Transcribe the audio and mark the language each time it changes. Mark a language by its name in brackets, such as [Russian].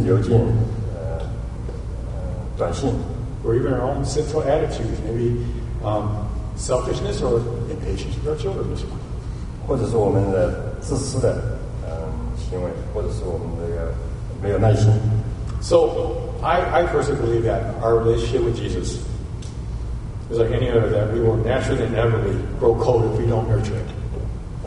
[Chinese] 或者是这个高科技的东西，这个电子邮件，短信。 [English] Or even our own sinful attitudes, maybe selfishness or impatience with our children this morning. [Chinese] 或者是我们的自私的行为，或者是我们这个没有耐心。 [English] So, I personally believe that our relationship with Jesus is like any other that we will naturally and inevitably grow cold if we don't nurture it.